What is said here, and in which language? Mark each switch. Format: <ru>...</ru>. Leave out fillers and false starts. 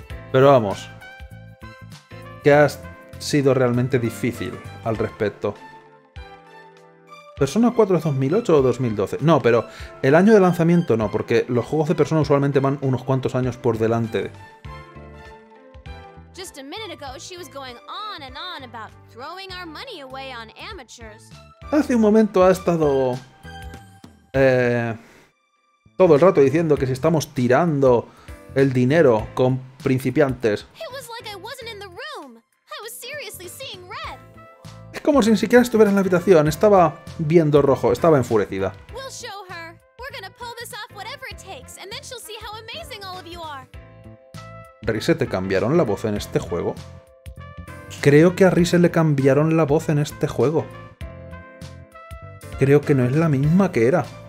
<es>Pero vamos, que ha sido realmente difícil al respecto. ¿Persona 4 es 2008 o 2012? No, pero el año de lanzamiento no, porque los juegos de Persona usualmente van unos cuantos años por delante.</es> <en>Just a minute ago, she was going on and on about throwing our money away on amateurs.</en> <es>Hace un momento ha estado... todo el rato diciendo que si estamos tirando el dinero con principiantes.</es> <en>It was like I wasn't in the room. I was seriously seeing red.</en> <es>Es como si ni siquiera estuviera en la habitación. Estaba viendo rojo. Estaba enfurecida.</es> <en>We'll show her. We're gonna pull this off whatever it takes, and then she'll see how amazing all of you are.</en> <es>¿Rise, te cambiaron la voz en este juego? Creo que a Rise le cambiaron la voz en este juego. Creo que no es la misma que era.</es>